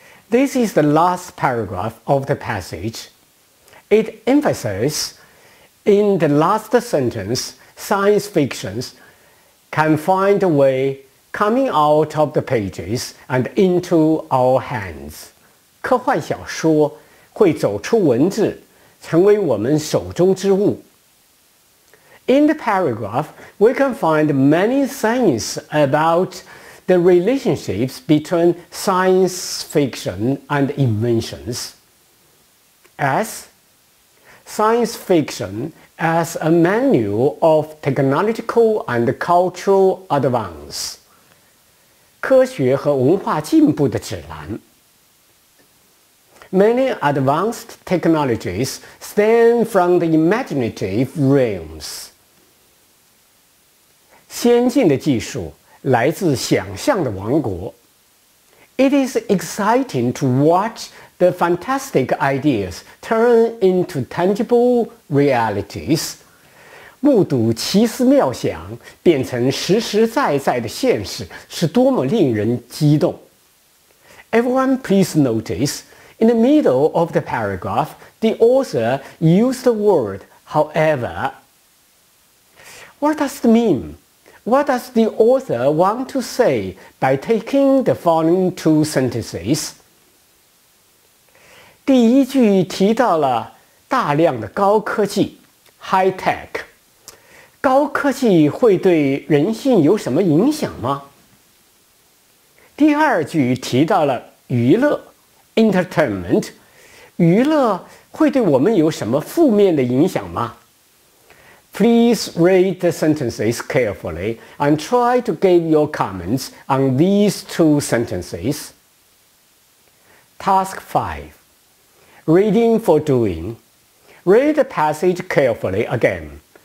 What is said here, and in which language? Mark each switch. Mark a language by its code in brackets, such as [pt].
[en] This is the last paragraph of the passage. It emphasizes, in the last sentence, science fictions can find a way coming out of the pages and into our hands. [zh] 科幻小说会走出文字,成为我们手中之物. [en] In the paragraph, we can find many things about the relationships between science fiction and inventions. As science fiction as a manual of technological and cultural advance. [zh] 科学和文化进步的指南. [en] Many advanced technologies stem from the imaginative realms. [zh] 先进的技术来自想象的王国. [en] It is exciting to watch the fantastic ideas turn into tangible realities. [zh] 目睹奇思妙想变成实实在在的现实是多么令人激动. [en] Everyone please notice, in the middle of the paragraph, the author used the word however. What does it mean? What does the author want to say by taking the following two sentences? [zh] 第一句提到了大量的高科技, high-tech. 高科技会对人性有什么影响吗? 第二句提到了娱乐, entertainment. 娱乐会对我们有什么负面的影响吗? [en] Please read the sentences carefully and try to give your comments on these two sentences. Task 5. Reading for doing. Read the passage carefully again.